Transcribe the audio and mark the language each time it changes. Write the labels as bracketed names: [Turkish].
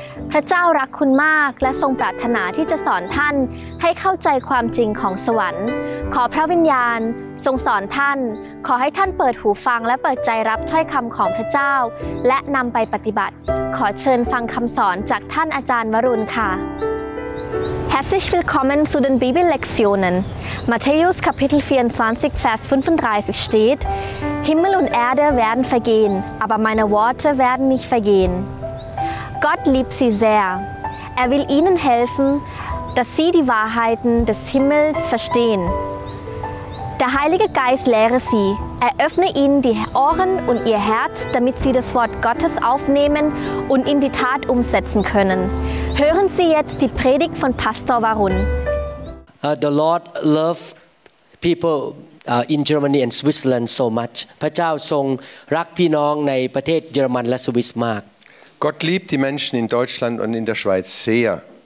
[Thai] พระเจ้ารักคุณมากและทรงปรารถนาที่จะสอนท่านให้เข้าใจความจริงของสวรรค์ขอพระวิญญาณทรงสอนท่านขอให้ท่านเปิดหูฟังและเปิดใจรับถ้อยคำของพระเจ้าและนำไปปฏิบัติขอเชิญฟังคำสอนจากท่านอาจารย์วรุณค่ะ [German] Herzlich willkommen zu den Bibellektionen. Matthäus Kapitel 24, Vers 35 steht: Himmel und Erde werden vergehen, aber meine Worte werden nicht vergehen. Gott liebt sie sehr. Er will ihnen helfen, dass sie die Wahrheiten des Himmels verstehen. Der Heilige Geist lehre sie, eröffne ihnen die Ohren und ihr Herz, damit sie das Wort Gottes aufnehmen und in die Tat umsetzen können. Hören Sie jetzt die Predigt von Pastor Varun. [English] The Lord loves people in Germany and Switzerland so much. [Thai] พระเจ้าทรงรักพี่น้องในประเทศเยอรมันและสวิสมาก [German] Gott liebt die Menschen in Deutschland und in der Schweiz sehr.